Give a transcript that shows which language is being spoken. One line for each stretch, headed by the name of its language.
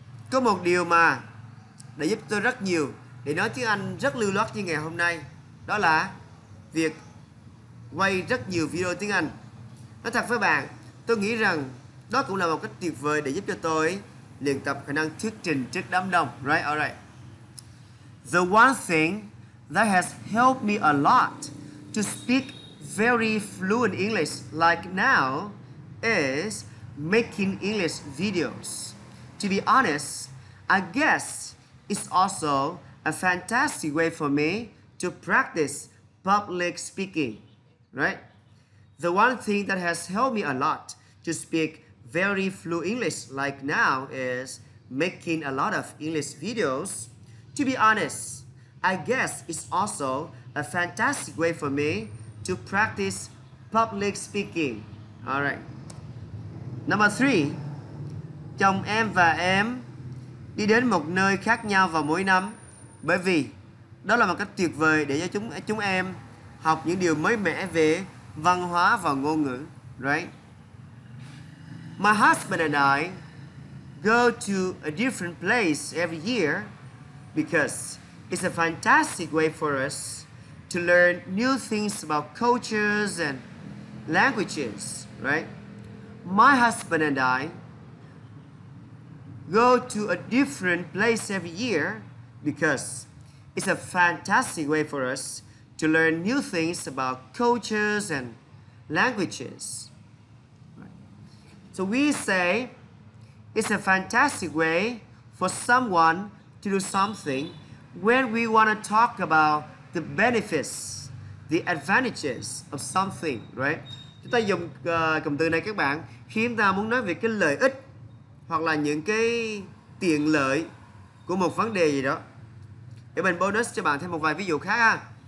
Vietnamese: Có một điều mà đã giúp tôi rất nhiều để nói tiếng Anh rất lưu loát như ngày hôm nay, đó là việc quay rất nhiều video tiếng Anh. Nói thật với bạn, tôi nghĩ rằng đó cũng là một cách tuyệt vời để giúp cho tôi luyện tập khả năng thuyết trình trước đám đông, right?
English: Alright. The one thing that has helped me a lot to speak very fluent English like now is making English videos. To be honest, I guess it's also a fantastic way for me to practice public speaking, right? The one thing that has helped me a lot to speak very fluent English like now is making a lot of English videos. To be honest, I guess it's also a fantastic way for me to practice public speaking. All right. Number three,
Vietnamese: chồng em và em đi đến một nơi khác nhau vào mỗi năm bởi vì đó là một cách tuyệt vời để cho chúng em học những điều mới mẻ về văn hóa và ngôn ngữ.
English: Right? My husband and I go to a different place every year because it's a fantastic way for us to learn new things about cultures and languages, right? My husband and I go to a different place every year because it's a fantastic way for us to learn new things about cultures and languages. So we say it's a fantastic way for someone to do something when we want to talk about the benefits, the advantages of something, right?
Vietnamese: Chúng ta dùng cụm từ này các bạn khi chúng ta muốn nói về cái lợi ích hoặc là những cái tiện lợi của một vấn đề gì đó. Để mình bonus cho bạn thêm một vài ví dụ khác ha.